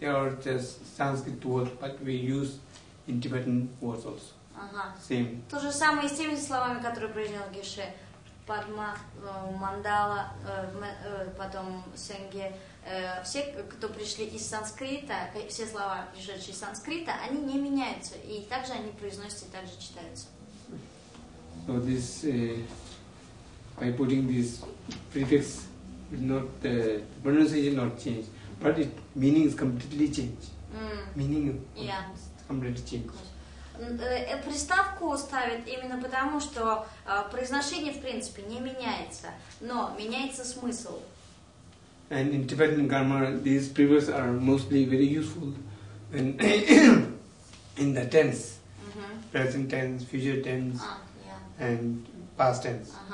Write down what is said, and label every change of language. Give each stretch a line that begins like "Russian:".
English: They are just Sanskrit words, but we use in Tibetan words also. Same.
Russian: То же самое и с теми словами, которые произнес Геше. Падма, мандала, потом сенге. Все, кто пришли из санскрита, все слова, пришедшие из санскрита, они не меняются. И также они произносятся и также читаются.
English: So this, by putting this prefix, not the pronunciation not change, but it, meaning is completely change. Meaning completely change.
Russian: Приставку ставят именно потому, что произношение, в принципе, не меняется, но меняется смысл.
English: And in Tibetan grammar, these prefixes are mostly very useful when in the tense, present tense, future tense, and past tense.